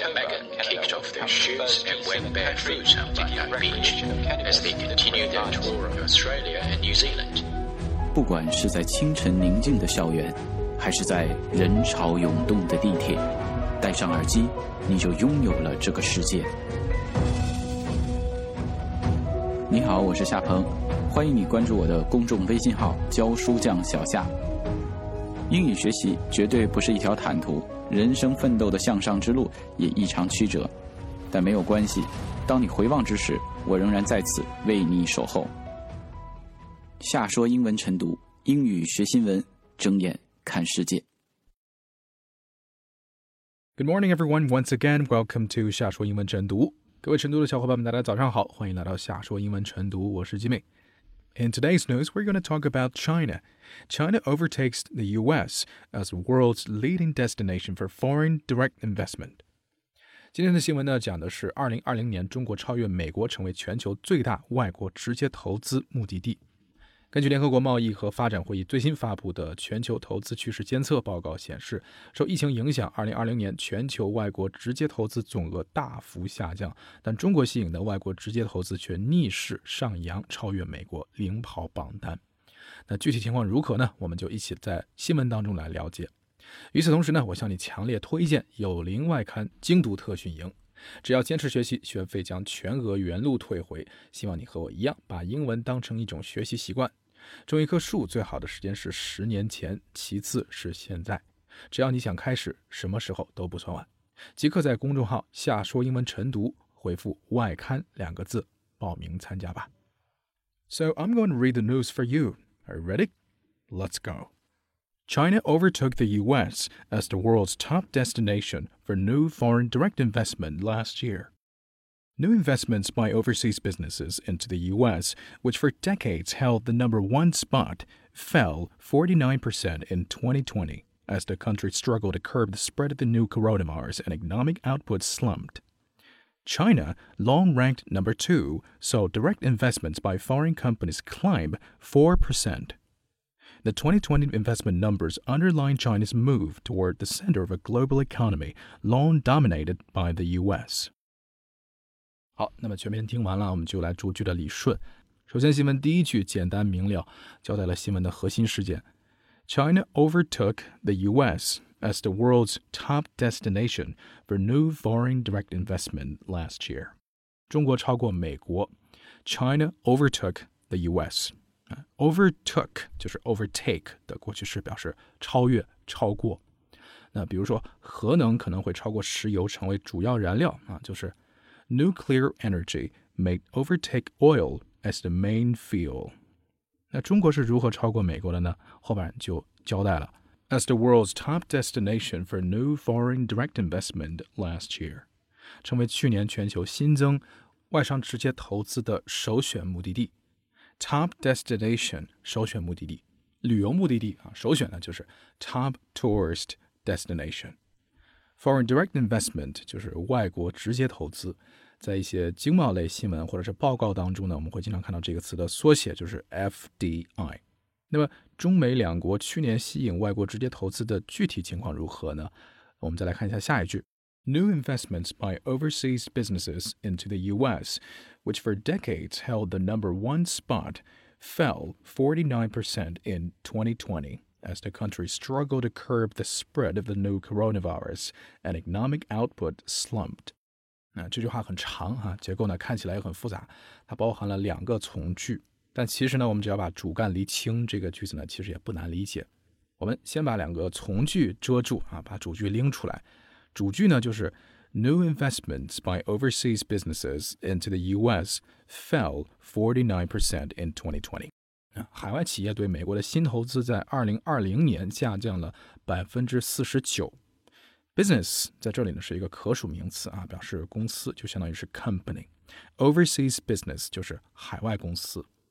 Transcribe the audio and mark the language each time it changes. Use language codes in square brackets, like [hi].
[en] and Megan kicked off their shoes and went barefoot on Bondi Beach as they continued their tour of Australia and New Zealand. [zh] 不管是在清晨宁静的校园，还是在人潮涌动的地铁，戴上耳机，你就拥有了这个世界。你好，我是夏鹏，欢迎你关注我的公众微信号“教书匠小夏”。英语学习绝对不是一条坦途，人生奋斗的向上之路也异常曲折，但没有关系，当你回望之时，我仍然在此为你守候。夏说英文晨读，英语学新闻，睁眼看世界。 [en] Good morning, everyone. Once again, welcome to 夏说英文晨读。 [zh] 各位晨读的小伙伴们，大家早上好，欢迎来到夏说英文晨读，我是吉米。 [en] In today's news, we're going to talk about China. China overtakes the U.S. as the world's leading destination for foreign direct investment. [zh] 今天的新闻呢，讲的是2020年中国超越美国，成为全球最大外国直接投资目的地。根据联合国贸易和发展会议最新发布的全球投资趋势监测报告显示，受疫情影响，2020年全球外国直接投资总额大幅下降，但中国吸引的外国直接投资却逆势上扬，超越美国，领跑榜单。那具体情况如何呢？我们就一起在新闻当中来了解。与此同时呢，我向你强烈推荐《有灵外刊》精读特训营。只要坚持学习，学费将全额原路退回。希望你和我一样，把英文当成一种学习习惯。种一棵树最好的时间是十年前，其次是现在。只要你想开始，什么时候都不算晚。即刻在公众号“夏说英文晨读”回复“外刊”两个字，报名参加吧。 [en] So I'm going to read the news for you. Are you ready? Let's go. China overtook the U.S. as the world's top destination for new foreign direct investment last year. New investments by overseas businesses into the U.S., which for decades held the number one spot, fell 49% in 2020 as the country struggled to curb the spread of the new coronavirus and economic output slumped. China, long ranked number two, saw direct investments by foreign companies climb 4%. The 2020 investment numbers underline China's move toward the center of a global economy long dominated by the U.S. [zh] 好，那么全篇听完了，我们就来逐句的理顺。首先，新闻第一句简单明了，交代了新闻的核心事件。 [en] China overtook the U.S. as the world's top destination for new foreign direct investment last year. [zh] 中国超过美国。 [en] China overtook the U.S. [zh] Overtook 就是 overtake 的过去式，表示超越、超过。那比如说，核能可能会超过石油，成为主要燃料啊，就是 [en] nuclear energy may overtake oil as the main fuel。 [zh] 那中国是如何超过美国的呢？后边就交代了 [en] ，as the world's top destination for new foreign direct investment last year， [zh] 成为去年全球新增外商直接投资的首选目的地。 Top destination, 首选目的地，旅游目的地啊，首选呢就是 top tourist destination. Foreign direct investment 就是外国直接投资，在一些经贸类新闻或者是报告当中呢，我们会经常看到这个词的缩写就是 FDI。那么中美两国去年吸引外国直接投资的具体情况如何呢？我们再来看一下下一句。 [en] New investments by overseas businesses into the U.S., which for decades held the number one spot, fell 49% in 2020 as the country struggled to curb the spread of the new coronavirus and economic output slumped. [zh] 那这句话很长啊，结构呢看起来也很复杂，它包含了两个从句，但其实呢，我们只要把主干厘清，这个句子呢其实也不难理解。我们先把两个从句遮住啊，把主句拎出来。主句呢就是 [en] New investments by overseas businesses into the U.S. fell 49% in 2020. [zh] 海外企业对美国的新投资在2020年下降了 49%. Business 在这里呢是一个可数名词啊，表示公司，就相当于是 company. Overseas business 就是海外公司。